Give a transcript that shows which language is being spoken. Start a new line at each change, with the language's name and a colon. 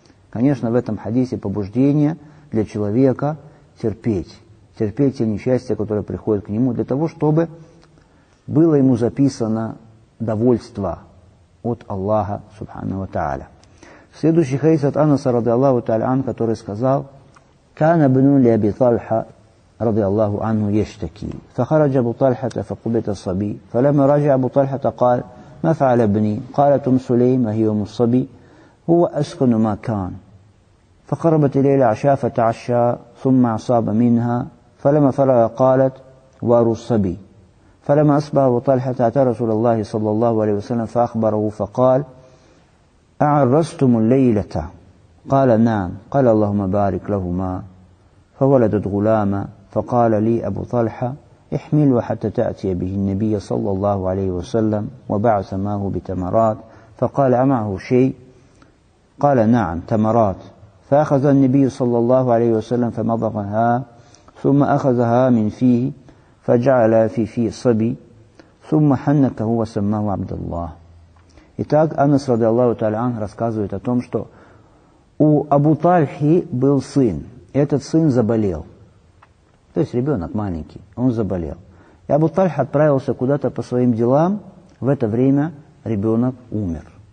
Russian: Конечно, в этом хадисе побуждение для человека терпеть. Терпеть те несчастья, которые приходят к нему, для того, чтобы было ему записано довольство от Аллаха, Субхана ва Тааля. Следующий хадис от Анаса, ради Аллаху Тааля, который сказал,
Arabic: «Кана бну ли Аби Талха». رضي الله عنه يشتكي فخرج أبو طلحة فقبض الصبي فلما رجع أبو طلحة قال ما فعل ابني قالت أم سليم وهي أم الصبي هو أسكن ما كان فقربت إليه العشاء فتعشى ثم أصاب منها فلما فرغ قالت وارو الصبي فلما أصبح أبو طلحة أتى رسول الله صلى الله عليه وسلم فأخبره فقال أعرستم الليلة قال نعم قال اللهم بارك لهما فولدت غلاما فقال لي أبو طلحة احمله حتى تأتي به النبي صلى الله عليه وسلم وبعث معه بتمرات فقال أمعه شيء قال نعم تمرات فأخذ النبي صلى الله عليه وسلم فمضغها ثم أخذها من فيه فجعل في فيه صبي ثم حنكه وسماه عبد الله.
Russian: Итак, Анас رضي الله تعالى عنه рассказывает о том, что у Абу Тальхи был сын. Этот сын заболел. То есть ребенок маленький, он заболел. И Абу Тальха отправился куда-то по своим делам, в это время ребенок умер.